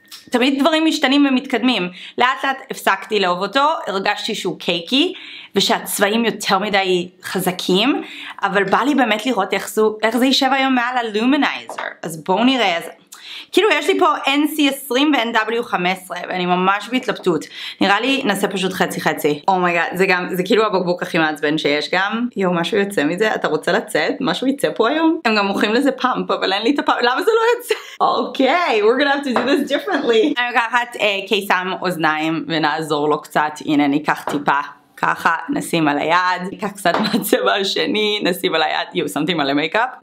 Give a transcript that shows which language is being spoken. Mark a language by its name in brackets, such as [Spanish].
[Hebrew] תמיד דברים משתנים ומתקדמים, לאט לאט הפסקתי לאהוב אותו, הרגשתי שהוא קייקי, ושהצבעים יותר מדי חזקים, אבל בא לי באמת לראות איך זה יישב היום מעל הלומנייזר, אז בואו נראה איזה... כאילו יש לי פה NC20 ו-NW15 ואני ממש בהתלבטות, נראה לי נעשה פשוט חצי חצי. אומייגאד, זה גם, זה כאילו הבקבוק הכי מעצבן שיש גם. יואו, משהו יוצא מזה, אתה רוצה לצאת? משהו יצא פה היום? הם גם מוכרים לזה פאמפ, אבל אין לי את הפאמפ, למה זה לא יוצא? [English] אוקיי, we're gonna have to do this differently. [Hebrew] אני לוקחת קיסם אוזניים ונעזור לו קצת, הנה ניקח טיפה. ככה, נשים על היד, ניקח קצת מהצבע השני, נשים על היד, יו, שמתי מלא מייקאפ.